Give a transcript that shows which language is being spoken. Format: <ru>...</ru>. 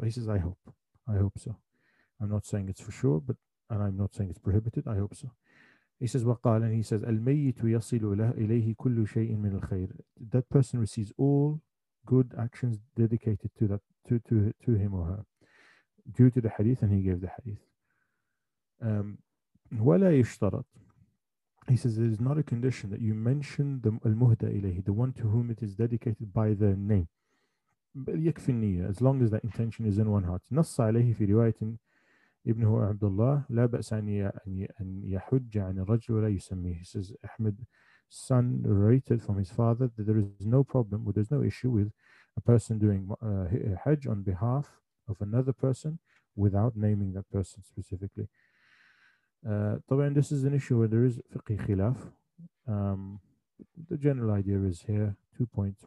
<en>He says, I hope so. I'm not saying it's for sure, and I'm not saying it's prohibited. I hope so. He says,</en> <ar>وقال,</ar> <en>and he says,</en> <ar>الميت يصل إليه كل شيء من الخير.</ar> <en>That person receives all good actions dedicated to that to him or her, due to the hadith, and he gave the hadith.</en> <ar>ولا يشترط.</ar> <en>He says, there is not a condition that you mention the المهدى إليه, the one to whom it is dedicated, by their name.</en> <ar>بل يكفي النية,</ar> <en>as long as that intention is in one heart.</en> <ar>نص عليه في رواية ابنه عبد الله لا بأس أن يحج عن الرجل ولا يسميه.</ar> <en>He says, Ahmed's son narrated from his father that there is no problem, or there's no issue with a person doing Hajj on behalf of another person without naming that person specifically. طبعا, this is an issue where there is fiqh khilaf. The general idea is here, two points.</en>